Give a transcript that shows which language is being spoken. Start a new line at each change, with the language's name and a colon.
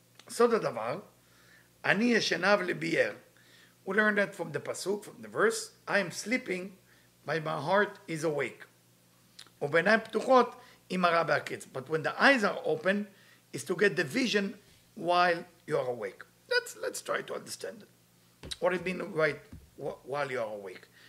Hebrew: סוד הדבר, אני ישנה ולבי ער.
English: We learned that from the pasuk, from the verse. I am sleeping, but my heart is awake.
Hebrew: ובעיניים פתוחות היא מראה בהקיץ.
English: But when the eyes are open, is to get the vision while you are awake. Let's try to understand it. What it means right, while you are awake.